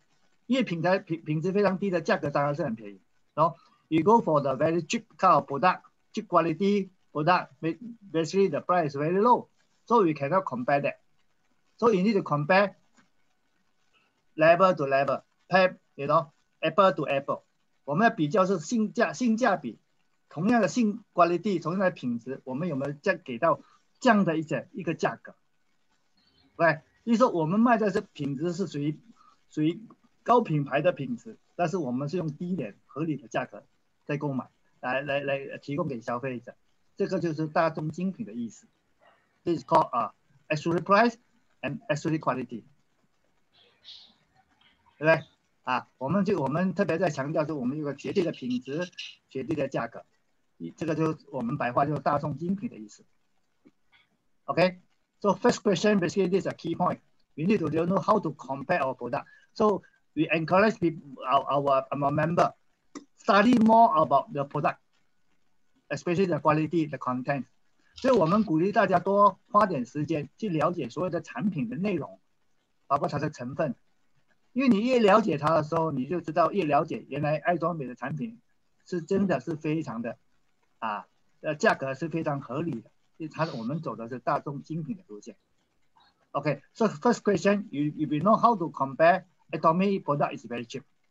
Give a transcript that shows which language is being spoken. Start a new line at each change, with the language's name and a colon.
Chinese: 当然我们不能够跟那些品质非常低的来比价格，因为品质非常低的价格当然是很便宜.
English: So you go for the very cheap kind of product, cheap quality product, basically the price is very low. So we cannot compare that. So you need to compare level to level, apple to apple.
Chinese: 我们要比较是性价比，同样的性 quality， 同样的品质，我们有没有再给到这样的一个价格 ？Right， 就是说我们卖的是品质是属于高品牌的品质但是我们是用低廉合理的价格在购买，来提供给消费者，这个就是大宗精品的意思。
English: This is called accurate price and accurate quality，
Chinese: 对不对？啊，我们特别在强调，就我们有个绝对的品质，绝对的价格，这个就我们白话就是大宗精品的意思。
English: OK， so first question basically this is a key point. We need to know how to compare our product. So we encourage people, our member, study more about the product, especially the quality, the content.
Chinese: 所以我们鼓励大家多花点时间去了解所有的产品的内容，包括它的成分。因为你越了解它的时候，你就知道越了解原来爱装美的产品是真的是非常的啊，价格是非常合理的，因为它我们走的是大众精品的路线。
English: OK， so first question， you will know how to compare Atomy product is very cheap.